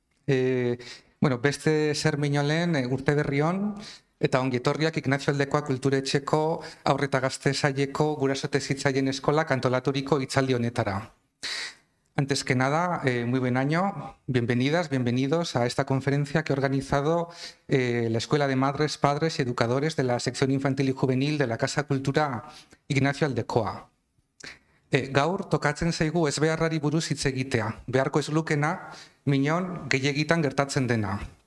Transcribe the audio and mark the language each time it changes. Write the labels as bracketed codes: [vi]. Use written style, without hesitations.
[eu] Bueno, beste zer baino lehen urte berrion eta ongi etorriak Ignacio Aldekoa Kulturetxeko Haur eta Gazte Saileko Gurasote Zitzaileen Eskola kantolaturiko hitzaldi honetara. [es] Antes que nada, muy buen año, bienvenidas, bienvenidos a esta conferencia que ha organizado la Escuela de Madres, Padres y Educadores de la Sección Infantil y Juvenil de la Casa Cultura Ignacio Aldekoa. [eu] Gaur tokatzen zaigu ez beharrari buruz hitz egitea, beharko ez lukena, minon gehiegitan gertatzen dena.